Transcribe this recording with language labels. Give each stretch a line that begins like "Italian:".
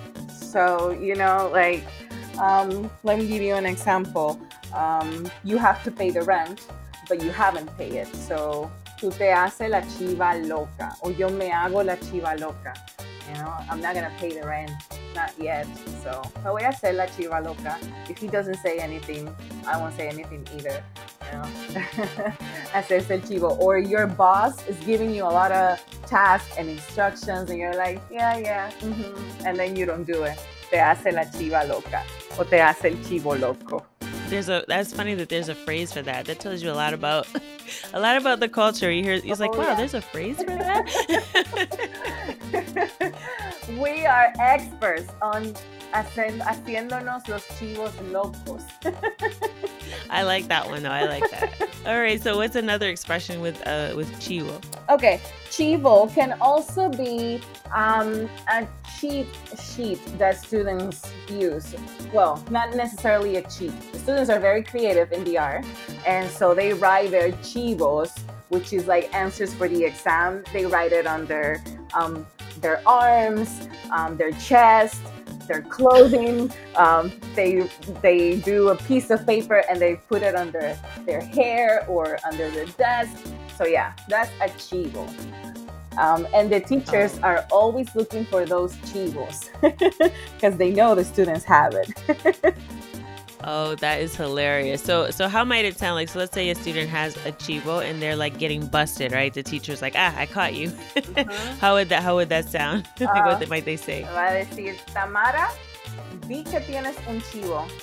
English: So, you know, like, let me give you an example. You have to pay the rent, but you haven't paid it. So,
Spanish: tú te haces la chiva loca. O yo me hago la chiva loca.
English: You know, I'm not going to pay the rent, not yet.
Spanish: So, me voy a hacer la chiva loca.
English: If he doesn't say anything, I won't say anything either. You know,
Spanish: hacerse el chivo.
English: Or your boss is giving you a lot of tasks and instructions, and you're like, yeah. Mm-hmm. And then you don't do it.
Spanish: Te hace la chiva loca. O te hace el chivo loco.
English: That's funny that there's a phrase for that. That tells you a lot about the culture. You hear, it's like, wow, yeah. There's a phrase for that? We are experts on
Spanish: haciéndonos los chivos locos.
English: I like that one, though. I like that. All right, so what's another expression with chivo? Okay, chivo can also be a cheap sheet that students use. Well, not necessarily a cheap. Students are very creative in DR, and so they write their chivos, which is like answers for the exam. They write it on their arms, their chest, their clothing. They do a piece of paper and they put it under their hair or under the desk. So yeah, that's a chivo. And the teachers are always looking for those chivos because they know the students have it. Oh, that is hilarious. So how might it sound like? So let's say a student has a chivo and they're like getting busted, right? The teacher's like, ah, I caught you. Mm-hmm. How would that sound? Like, what might they say?
Spanish: Va a decir, Tamara, vi que tienes un chivo.